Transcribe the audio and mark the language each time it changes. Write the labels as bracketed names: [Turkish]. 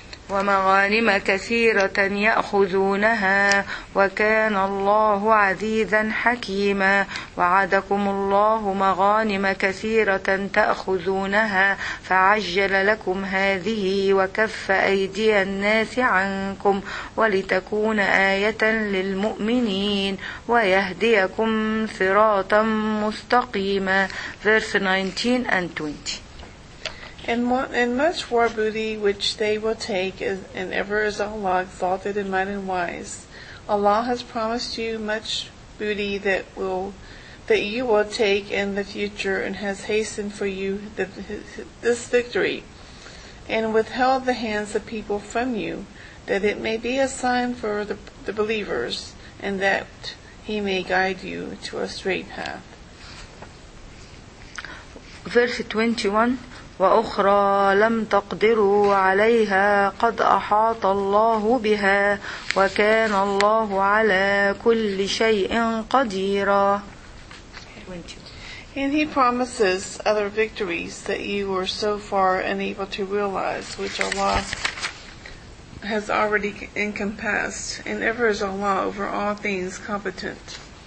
[Arabic] ومغانم كثيرة يأخذونها وكان الله عزيزا حكيما وعدكم الله مغانم كثيرة تأخذونها فعجل لكم هذه وكف أيدي الناس عنكم ولتكون آية للمؤمنين ويهديكم صراطا مستقيما. [English] Verse 19 and 20. And much war booty which they will take, and ever is Allah exalted and mighty and wise. Allah has promised you much booty that you will take in the future, and has hastened for you this victory, and withheld the hands of people from you, that it may be a sign for the believers, and that He may guide you to a straight path. Verse 21. [Arabic] وأخرى لم تقدروا عليها قد أحاط الله بها وكان الله على كل شيء قديرا. [English] And He promises other victories that you were so far unable to realize, which Allah has already encompassed, and ever is Allah over all things competent.